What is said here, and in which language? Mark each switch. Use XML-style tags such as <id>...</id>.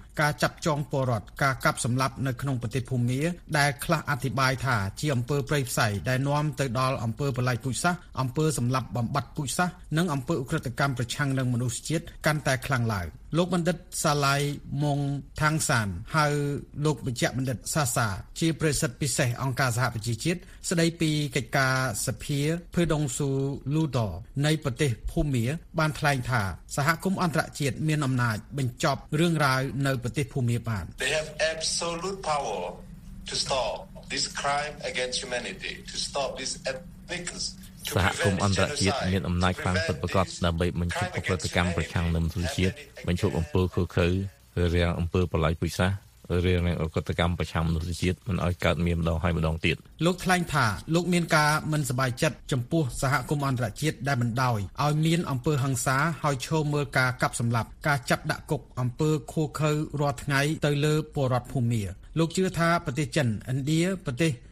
<km>ការចាប់ចងពលរដ្ឋការកាប់សម្លាប់នៅក្នុងប្រទេសភូមាដែលខ្លះអធិប្បាយថាជាអំពើប្រិយផ្សៃដែលនាំទៅដល់អំពើបលាយពូជសាសអំពើសម្លាប់បំបត្តិពូជសាសនិងអំពើឧក្រិដ្ឋកម្មប្រឆាំងនឹងមនុស្សជាតិកាន់តែខ្លាំងឡើងលោកបណ្ឌិតសាឡៃម៉ុងថាំងសានហៅ លោកបញ្ជាបណ្ឌិតសាសាជាប្រសិទ្ធពិសេសអង្គការសហប្រជាជាតិស្ដីពីកិច្ចការសភាភឺដុងស៊ូលូដនៃប្រទេសភូមាបានថ្លែងថាសហគមន៍អន្តរជាតិមានអំណាចបញ្ចប់រឿងរ៉ាវនៅប្រទេសភូមាបាន</km> <en>They have absolute power to stop this crime against humanity to stop this ethnicity</en> <km>សហគមន៍អន្តរជាតិមានអំណាចខ្លាំងពិតប្រាកដដើម្បីបញ្ឈប់ឧក្រិដ្ឋកម្មប្រឆាំងនឹងមនុស្សជាតិបញ្ឈប់អំពើឃោរឃៅរាងអំពើបលាយពូជសាសន៍រាងឧក្រិដ្ឋកម្មប្រឆាំងមនុស្សជាតិមិនឲ្យកើតមានម្ដងហើយម្ដងទៀត លោកថ្លែងថាលោកមានការមិនសប្បាយចិត្តចំពោះសហគមន៍អន្តរជាតិដែលមិនដោយឲ្យមានអំពើហិង្សាហើយឈោមមើលការកាប់សម្លាប់ការចាប់ដាក់គុកអំពើឃោរឃៅរាល់ថ្ងៃទៅលើពលរដ្ឋភូមាលោកជឿថាប្រទេសចិនឥណ្ឌាប្រទេស</km>